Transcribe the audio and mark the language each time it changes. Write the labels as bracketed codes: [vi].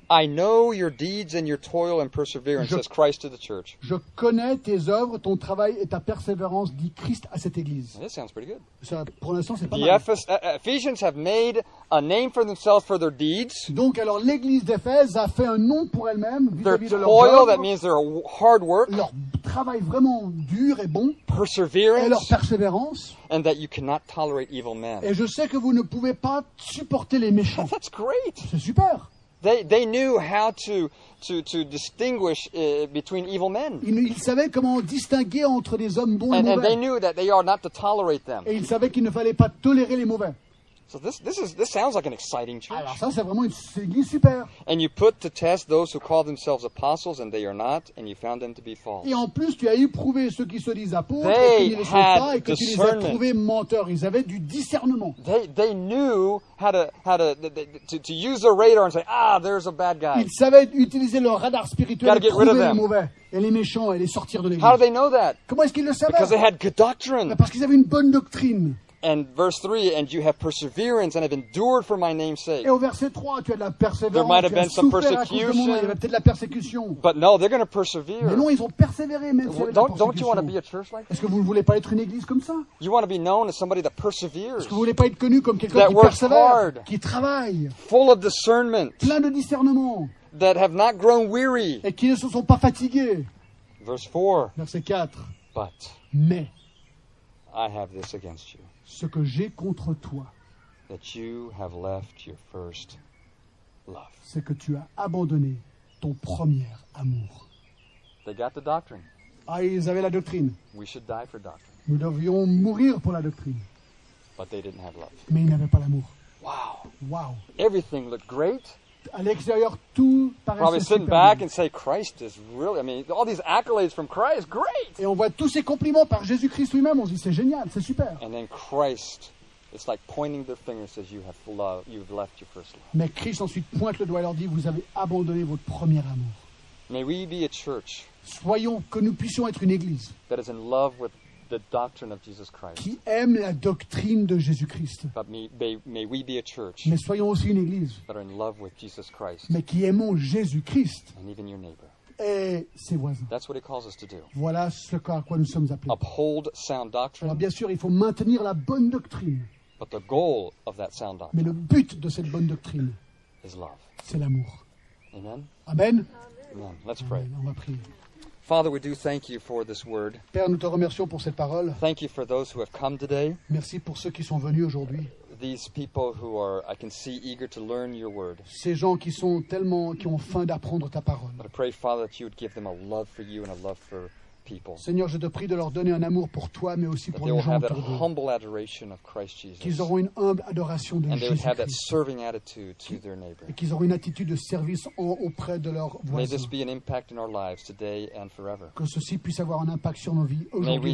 [en] I know your deeds and your toil and perseverance, says Christ to the church. [fr] Je connais tes œuvres, ton travail et ta persévérance, dit Christ à cette église. [en] That sounds pretty good. [fr] Ça, pour l'instant, c'est pas [en] the [fr] mal. [en] Ephesians have made a name for themselves for their deeds. [fr] Donc alors, l'église d'Éphèse a fait un nom pour elle-même vis-à-vis [en] their [fr] de leur [en] toil, travail. That means their hard work. [fr] Leur travail vraiment dur et bon. [en] Perseverance. [fr] Et leur persévérance. [en] And that you cannot tolerate evil men. [fr] Et je sais que vous ne pouvez pas supporter les méchants. [en] That's great. [fr] C'est super. [en] They knew how to distinguish between evil men. [fr] Ils savaient comment distinguer entre des hommes bons [en] and [fr] mauvais. [en] And they knew that they are not to tolerate them. [fr] Et ils savaient qu'il ne fallait pas tolérer les mauvais. [en] So this sounds like an exciting church. [fr] Alors ça c'est vraiment une église super. [en] And you put to test those who call themselves apostles and they are not, and you found them to be false. [fr] Et en plus tu as éprouvé ceux qui se disent apôtres et qui ne le sont pas et que tu les as trouvés menteurs. Ils avaient du discernement. [en] They knew how to use their radar and say there's a bad guy. [fr] Ils savaient utiliser leur radar spirituel pour trouver les mauvais et les méchants et les sortir de l'église. [en] How do they know that? [fr] Comment est-ce qu'ils le savaient? [en] Because they had good doctrine. [fr] Parce qu'ils avaient une bonne doctrine. [en] And verse 3, and you have perseverance and have endured for my name's sake. [fr] Et au verset 3, tu as de la persévérance. [en] There might have been some persecution. [fr] Il y avait peut-être la persécution. [en] But no, they're going to persevere. [fr] Mais non, ils ont persévéré même si [en] don't you want to be a church like that? [fr] Est-ce que vous ne voulez pas être une église comme ça? [en] You want to be known as somebody that perseveres. [fr] Est-ce que vous voulez pas être connu comme quelqu'un qui persévère, [en] hard, [fr] qui travaille, [en] full of discernment, [fr] plein de discernement, [en] that have not grown weary, [fr] et qui ne se sont pas fatigués. [en] Verse 4. [fr] Verset 4. [en] But. [fr] Mais. [en] I have this against you. [fr] Ce que j'ai contre toi, [en] that you have left your first love. [fr] C'est que tu as abandonné ton premier amour. [en] They got the doctrine. [fr] Ah, ils avaient la doctrine. [en] We should die for doctrine. [fr] Nous devions mourir pour la doctrine. [en] But they didn't have love. [fr] Mais ils n'avaient pas l'amour. Wow. Wow. [en] Everything looked great. [fr] À l'extérieur, tout [en] probably sitting back and say Christ is really. I mean, all these accolades from Christ, great. [fr] Et on voit tous ces compliments par Jésus-Christ lui-même. On se dit c'est génial, c'est super. [en] And then Christ, it's like pointing their finger and says you have love, you've left your first love. [fr] Mais Christ ensuite pointe le doigt et leur dit vous avez abandonné votre premier amour. [en] May we be a church. [fr] Soyons que nous puissions être une église. [en] That is in love with the doctrine of Jesus Christ. [fr] Qui aime la doctrine de Jésus-Christ. [en] But may we be a church. [fr] Mais soyons aussi une église. [en] That are in love with Jesus Christ. [fr] Mais qui aimons Jésus-Christ. [en] And even your neighbor. [fr] et ses voisins. [en] That's what he calls us to do. [fr] Voilà ce à quoi nous sommes appelés. [en] Uphold sound doctrine. [fr] Alors bien sûr, il faut maintenir la bonne doctrine. [en] But the goal of that sound doctrine. [fr] Mais le but de cette bonne doctrine [en] is love. [fr] C'est l'amour. Amen. Amen. [en] Amen. Let's pray. [fr] Amen. On va prier. [en] Father, we do thank you for this word. [fr] Père, nous te remercions pour cette parole. [en] Thank you for those who have come today. [fr] Merci pour ceux qui sont venus aujourd'hui. [en] These people who are, I can see, eager to learn your word. [fr] Ces gens qui sont tellement qui ont faim d'apprendre ta parole. [en] But I pray, Father, that you would give them a love for you and a love for people. [fr] Seigneur, je te prie de leur donner un amour pour toi, mais aussi pour les gens autour d'eux. [en] That they will have that humble adoration of Christ Jesus. [fr] Qu'ils auront une humble adoration de Jésus-Christ. [en] And they will have that serving attitude to their neighbor. [fr] Et qu'ils auront une attitude de service auprès de leurs voisins. [en] May this be an impact in our lives today and forever. [fr] Que ceci puisse avoir un impact sur nos vies aujourd'hui.